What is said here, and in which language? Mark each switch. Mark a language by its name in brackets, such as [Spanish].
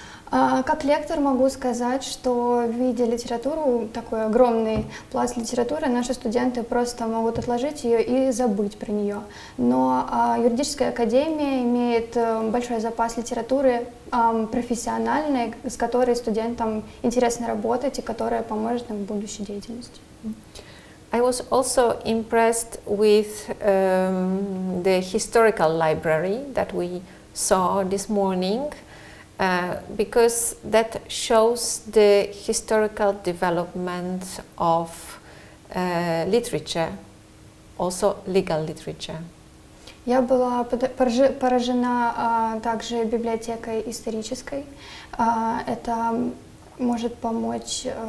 [Russian] Как лектор могу сказать, что в виде литературы, такой огромный пласт литературы, наши студенты просто могут отложить ее и забыть про нее. Но юридическая академия имеет большой запас литературы, профессиональной, с которой студентам интересно работать и которая поможет им в будущей деятельности. [English] I was also impressed with the historical library that we saw this morning. Because that shows the historical development of literature, also legal literature. [Russian] Я была поражена также библиотекой исторической. Это может помочь.